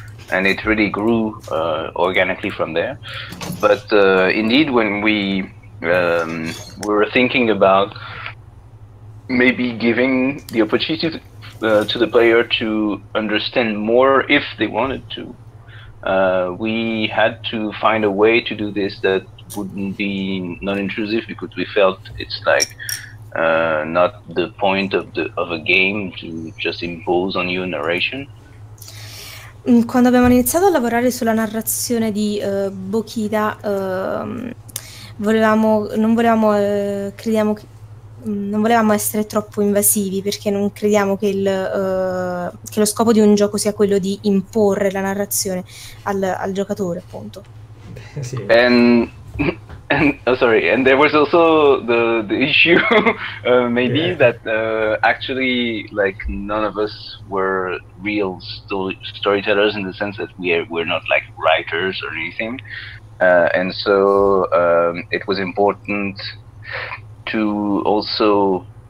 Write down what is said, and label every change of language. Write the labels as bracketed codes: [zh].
[en] And it really grew organically from there. But indeed, when we were thinking about maybe giving the opportunity to the player to understand more if they wanted to, we had to find a way to do this that wouldn't be non-intrusive, because we felt it's like not the point of a game to just impose on you narration. [it] Quando abbiamo iniziato a lavorare sulla narrazione di Bokida, non volevamo essere troppo invasivi, perché non crediamo che che lo scopo di un gioco sia quello di imporre la narrazione al giocatore, appunto. Sì. [en] And there was also the issue that actually, like, none of us were real storytellers, in the sense that we're not like writers or anything, and so it was important to also